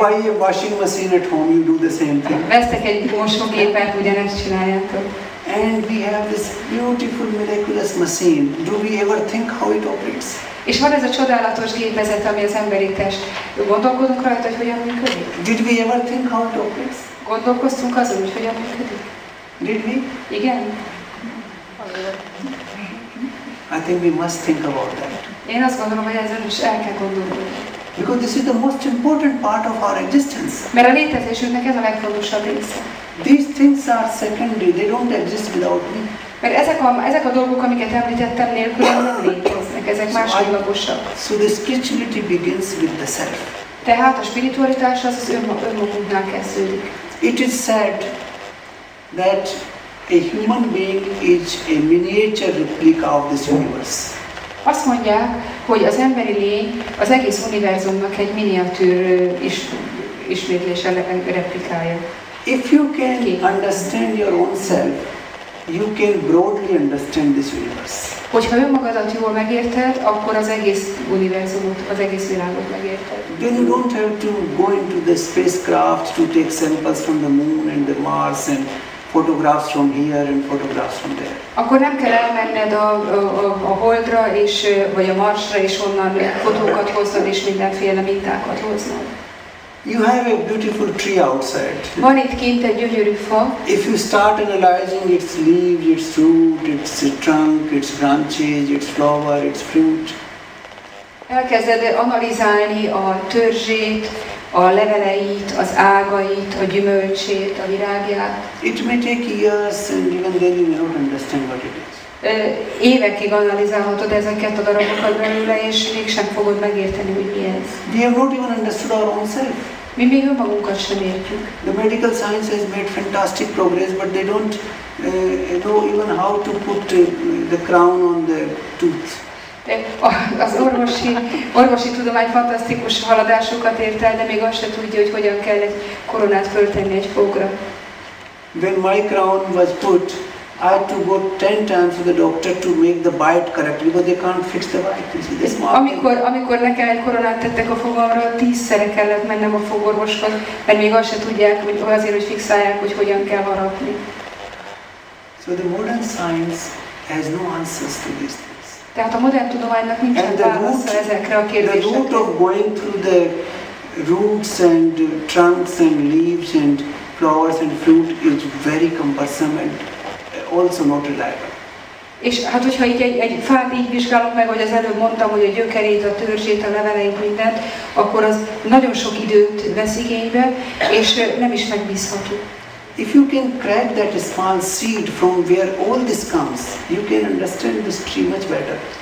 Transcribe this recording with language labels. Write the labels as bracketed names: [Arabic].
[English] You buy a washing machine at home, you do the same thing. [Hungarian] Veszek egy mosógépet, ugyanazt csináljátok. [English] And we have this beautiful, miraculous machine. Do we ever think how it operates? [Hungarian] És van ez a csodálatos gépezet, ami az emberi test. Gondolkodunk rajta, hogy hogyan működik? [English] Did we ever think how it operates? [Hungarian] Gondolkoztunk azon, hogy hogyan működik? [English] Did we? [Hungarian] Igen. [English] I think we must think about that. [Hungarian] Én azt gondolom, hogy ezen is el kell gondolni. [English] Because this is the most important part of our existence. [Hungarian] Mert a létezésünknek ez a legfontosabb része. [English] These things are secondary, they don't exist without me. [Hungarian] Mert ezek a dolgok, amiket említettem nélkül, nem léteznek, ezek másodlagosak. [English] So the spirituality begins with the self. [Hungarian] Tehát a spiritualitás az önmagunknál kezdődik. [English] It is said that a human being is a miniature replica of this universe. [Hungarian] Azt mondják, hogy az emberi lény az egész univerzumnak egy miniatűr ismétlése, replikája. [English] If you can understand your own self, you can broadly understand this universe. [Hungarian] Hogyha önmagadat jól megérted, akkor az egész univerzumot, az egész világot megérted. [English] Then you don't have to go into the spacecraft to take samples from the moon and the Mars and photographs from here and photographs from there. [Hungarian] Akkor nem kell elmenned a Holdra és vagy a Marsra és onnan fotókat hoznod és mindenféle mintákat hoznod. [English] You have a beautiful tree outside. [Hungarian] Van itt kint egy gyönyörű fa. [English] If you start analyzing its leaves, its fruit, its trunk, its branches, its flower, its fruit. [Hungarian] Elkezded analizálni a törzsét, a leveleit, az ágait, a gyümölcsét, a virágját. [English] It may take years and even then you may not understand what it is. [Hungarian] Évekig analizálhatod ezeket a darabokat belőle, és mégsem fogod megérteni, hogy mi ez. [English] We have not even understood our own self. [Hungarian] Mi még önmagunkat sem értjük. [English] The medical science has made fantastic progress, but they don't know even how to put the crown on the tooth. [Hungarian] Az orvosi tudomány fantasztikus haladásokat ért el, de még azt se tudja, hogy hogyan kell egy koronát föltenni egy fogra. [English] When my crown was put, I had to go 10 times to the doctor to make the bite correct, because they can't fix the bite. You see, this mark. [Hungarian] Amikor nekem egy koronát tettek a fogamra, 10-szer kellett mennem a fogorvoshoz, mert még azt se tudják, hogy azért, hogy fixálják, hogy hogyan kell varatni. [English] So the modern science has no answers to this. [Hungarian] Tehát a modern tudománynak nincsen válasz ezekre a kérdésekre. [English] The root of going through the roots and trunks and leaves and flowers and fruit is very cumbersome and also not reliable. [Hungarian] És hát hogyha egy fát így vizsgálok meg, hogy az előbb mondtam, hogy a gyökerét, a törzsét, a leveleit, mindent, akkor az nagyon sok időt vesz igénybe, és nem is megbízható. [English] If you can crack that small seed from where all this comes, you can understand this tree much better.